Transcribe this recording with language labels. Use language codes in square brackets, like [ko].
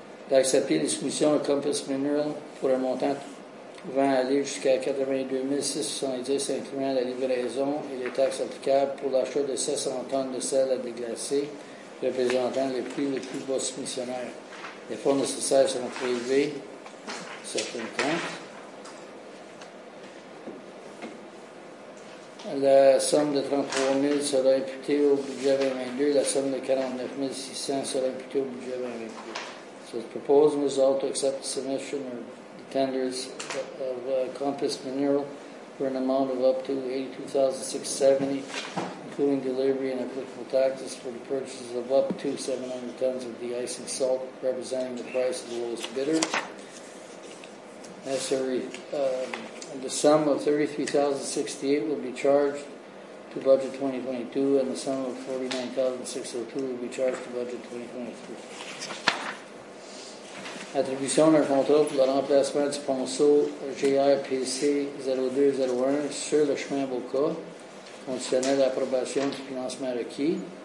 [fr] D'accepter les soumissions à Compass Mineral pour un montant pouvant aller jusqu'à 82 670, incluant la livraison et les taxes applicables pour l'achat de 600 tonnes de sel à déglacer, représentant le plus bas soumissionnaire. Les fonds nécessaires seront prélevés sur certains comptes. La somme de 33 000 sera imputée au budget 2022, la somme de 49 600 sera imputée au budget 2023. [en] So the proposed result to accept the submission or tenders of Compass Mineral for an amount of up to $82,670, including delivery and applicable taxes for the purchases of up to 700 tons of the ice and salt, representing the price of the lowest bidder. The sum of $33,068 will be charged to budget 2022, and the sum of $49,602 will be charged to budget 2023. [fr] Attribution d'un contrat pour le remplacement du ponceau GRPC 0201 sur le chemin Boca, conditionnel d'approbation du financement requis.